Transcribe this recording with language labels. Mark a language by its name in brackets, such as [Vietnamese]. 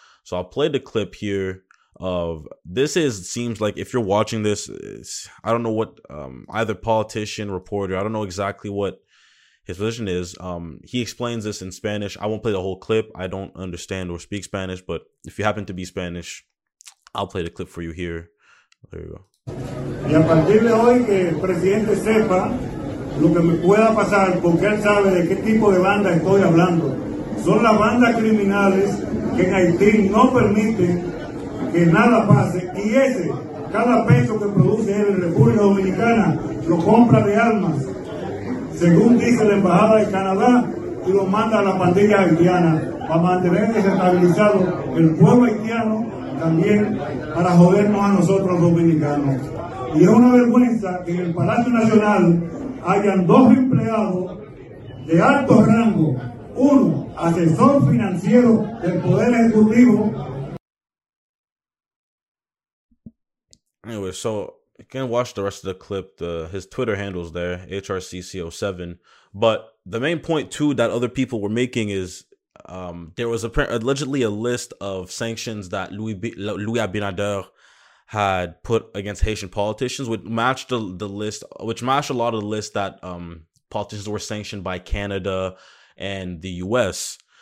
[English] So I'll play the clip here of this. Is seems like if you're watching this, I don't know what either politician, reporter, I don't know exactly what his position is. He explains this in Spanish. I won't play the whole clip. I don't understand or speak Spanish, but if you happen to be Spanish, I'll play the clip for you here. There you go. [Spanish] Y a partir de hoy que el presidente sepa lo que me pueda pasar, porque él sabe de qué tipo de banda estoy hablando. Son las bandas criminales que en Haití no permiten que nada pase. Y ese, cada peso que produce en la República Dominicana, lo compra de armas, según dice la Embajada de Canadá, y lo manda a la pandilla haitiana para mantener desestabilizado el pueblo haitiano, también para jodernos a nosotros dominicanos. Y es una vergüenza que en el Palacio Nacional hayan dos empleados de alto rango, uno asesor financiero del Poder Ejecutivo. [English] Anyway, so you can watch the rest of the clip. His Twitter handle's there, HRCCO7. But the main point, too, that other people were making is there was allegedly a list of sanctions that Louis Abinader had put against Haitian politicians, which matched the list, which matched a lot of the lists that politicians were sanctioned by Canada and the U.S.